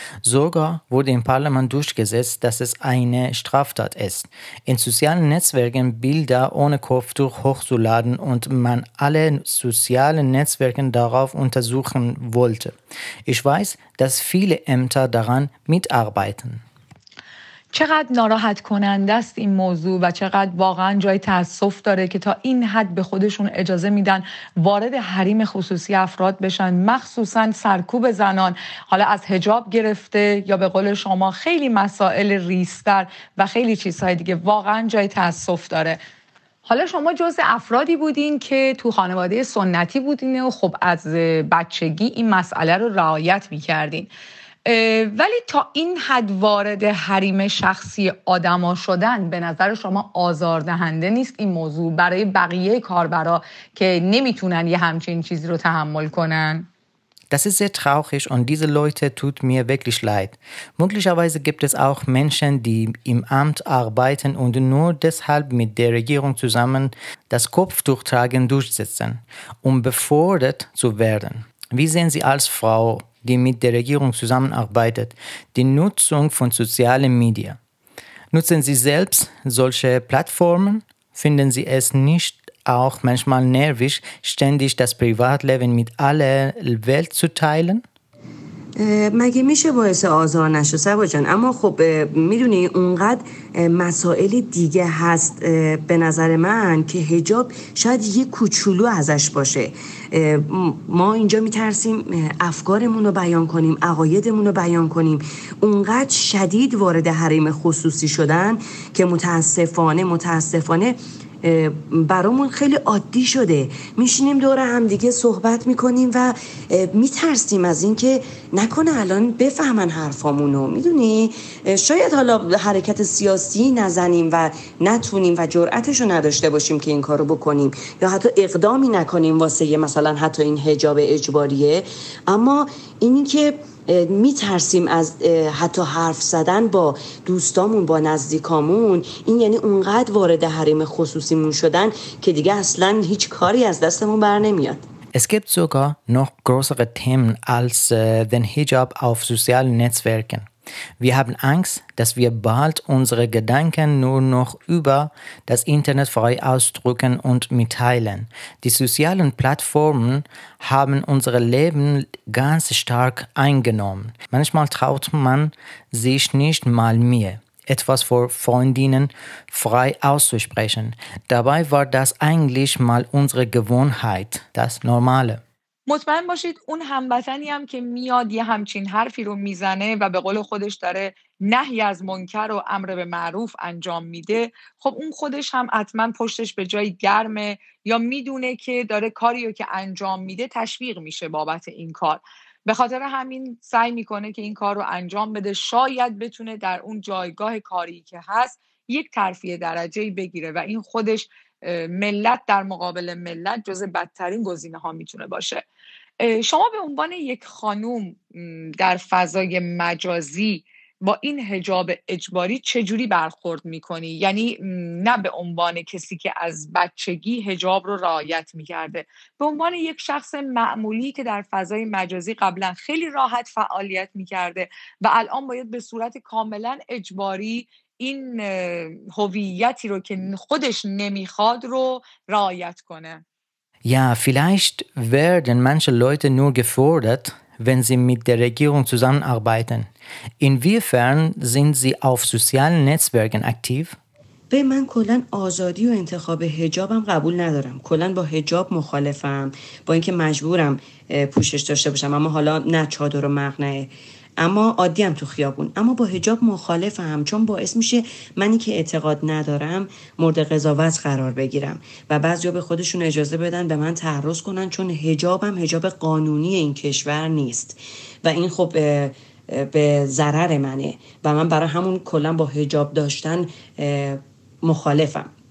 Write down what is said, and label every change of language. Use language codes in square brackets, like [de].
[de] Sogar wurde im Parlament durchgesetzt, dass es eine Straftat ist, in sozialen Netzwerken Bilder ohne Kopftuch hochzuladen und man alle sozialen Netzwerke darauf untersuchen wollte. Ich weiß, dass viele Ämter daran mitarbeiten. [fa] چقدر ناراحت کننده است این موضوع و چقدر واقعا جای تأسف داره که تا این حد به خودشون اجازه میدن وارد حریم خصوصی افراد بشن، مخصوصا سرکوب زنان، حالا از حجاب گرفته یا به قول شما خیلی مسائل ریستر و خیلی چیزهای دیگه، واقعا جای تأسف داره. حالا شما جز افرادی بودین که تو خانواده سنتی بودین و خب از بچگی این مسئله رو رعایت میکردین، ولی تا این حد وارد حریم شخصی آدم ها شدن به نظر شما آزاردهنده نیست این موضوع برای بقیه کاربرا که نمیتونن یه همچین چیزی رو تحمل کنن؟ [de] Das ist sehr traurig und diese Leute tut mir wirklich leid. Möglicherweise gibt es auch Menschen, die im Amt arbeiten und nur deshalb mit der Regierung zusammen das Kopftuchtragen durchsetzen, um befördert zu werden. Wie sehen Sie als Frau, die mit der Regierung zusammenarbeitet, die Nutzung von sozialen Medien? Nutzen Sie selbst solche Plattformen? Finden Sie es nicht auch manchmal nervig, ständig das Privatleben mit aller Welt zu teilen? [fa] مگه میشه باعث آزار نشه سبا جان؟ اما خب میدونی اونقدر مسائل دیگه هست به نظر من که حجاب شاید یه کوچولو ازش باشه. ما اینجا میترسیم افکارمون رو بیان کنیم، عقایدمون رو بیان کنیم. اونقدر شدید وارد حریم خصوصی شدن که متاسفانه برامون خیلی عادی شده، میشینیم دور هم دیگه صحبت میکنیم و میترسیم از این که نکنه الان بفهمن حرفامونو. میدونی شاید حالا حرکت سیاسی نزنیم و نتونیم و جرأتشو نداشته باشیم که این کارو بکنیم یا حتی اقدامی نکنیم واسه مثلا حتی این حجاب اجباریه، اما اینی که می ترسیم از حتی حرف زدن با دوستامون با نزدیکامون، این یعنی اونقدر وارد حریم خصوصیمون شدن که دیگه اصلا هیچ کاری از دستمون بر نمیاد. [de] Es gibt sogar noch größere Themen als den Hijab auf sozialen Netzwerken. Wir haben Angst, dass wir bald unsere Gedanken nur noch über das Internet frei ausdrücken und mitteilen. Die sozialen Plattformen haben unser Leben ganz stark eingenommen. Manchmal traut man sich nicht mal mehr, etwas vor Freundinnen frei auszusprechen. Dabei war das eigentlich mal unsere Gewohnheit, das Normale. [fa] مطمئن باشید اون هموطنی هم که میاد یه همچین حرفی رو میزنه و به قول خودش داره نهی از منکر و امر به معروف انجام میده، خب اون خودش هم حتما پشتش به جای گرمه یا میدونه که داره کاریو که انجام میده تشویق میشه بابت این کار، به خاطر همین سعی میکنه که این کار رو انجام بده، شاید بتونه در اون جایگاه کاری که هست یک ترفیع درجه بگیره و این خودش ملت در مقابل ملت جز بدترین گزینه ها میتونه باشه. شما به عنوان یک خانوم در فضای مجازی با این حجاب اجباری چجوری برخورد میکنی؟ یعنی نه به عنوان کسی که از بچگی حجاب رو رعایت میکرده، به عنوان یک شخص معمولی که در فضای مجازی قبلا خیلی راحت فعالیت میکرده و الان باید به صورت کاملا اجباری این هویتی رو که خودش نمیخواد رو رعایت کنه. [de] Ja, vielleicht werden manche Leute nur gefordert, wenn sie mit der Regierung zusammenarbeiten. Inwiefern sind sie auf sozialen Netzwerken aktiv? [fa] به من کلن آزادی و انتخاب حجابم قبول ندارم. کلن با حجاب مخالفم، با اینکه مجبورم پوشش داشته باشم، اما حالا نه چادر و مقنعه، اما عادی هم تو خیابون، اما با حجاب مخالفم، چون باعث میشه منی که اعتقاد ندارم مورد قضاوت قرار بگیرم و بعضیا به خودشون اجازه بدن به من تعرض کنن، چون حجابم حجاب قانونی این کشور نیست و این خب به ضرر منه و من برای همون کلا با حجاب داشتن مخالفم.